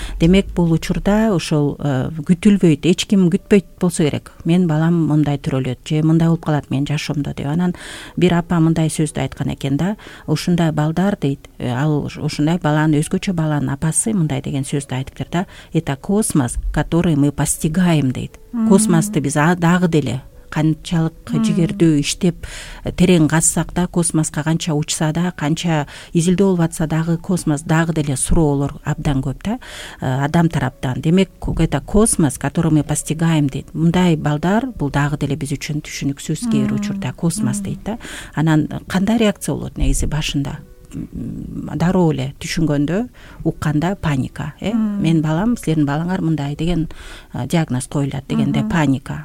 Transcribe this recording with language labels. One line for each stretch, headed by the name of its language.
Kyrgyz: Демек бул учурда ошол күтүлбөйт, эч ким күтпөйт болсо керек. Мен балам мындай төрөлөт же мындай болуп калат менин жашоомдо деп. Анан бир апа мындай сөздү айткан экен да. Ушундай балдар дейт. Ал ушундай баланын, өзгөчө баланын апасы мындай деген сөздү айтып берди да.
Russian: Это космос, который мы постигаем
Kyrgyz: дейт. Космосту биз дагы деле канчалык жигердүү иштеп терең казсак да, космоско канча учса да, канча изилдөө болуп атса дагы, космос дагы деле суроолор абдан көп да адам тараптан. Демек
Russian: это космос, который мы постигаем
Kyrgyz: дейт. Мындай балдар бул дагы деле биз үчүн түшүнүксүз кээ бир учурда, космос дейт да. Анан кандай реакция болот негизи башында? Дароо эле түшүнгөндө, укканда паника. Мен балам, силердин балаңар мындай деген диагноз коюлат дегенде паника.